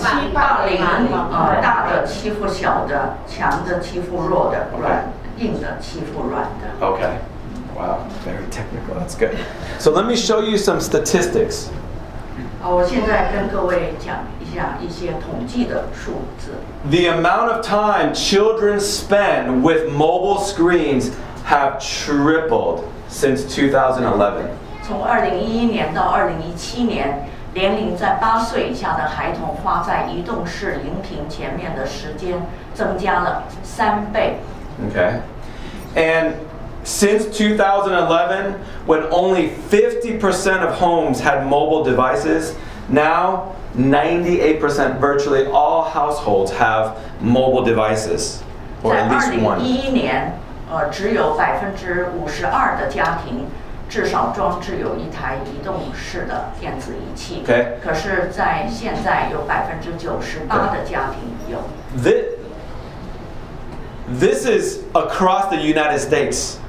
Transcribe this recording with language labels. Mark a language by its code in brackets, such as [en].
[zh] 欺霸凌啊，大的欺负小的，强的欺负弱的，软硬的欺负软的。 [en] OK。 Wow, very technical. That's good. So let me show you some statistics. [zh] 我现在跟各位讲一下一些统计的数字。 [en] The amount of time children spend with mobile screens have tripled since 2011. [zh] 从2011年到2017年，年龄在八岁以下的孩童花在移动式荧屏前面的时间增加了三倍。 [en] Okay. And since 2011, when only 50% of homes had mobile devices, now 98%, virtually all households have mobile devices, or at least one. [zh] 在2011年，只有52%的家庭至少装置有一台移动式的电子仪器。 [en] Okay. [zh] 可是在现在有98%的家庭有。 [en] This is across the United States.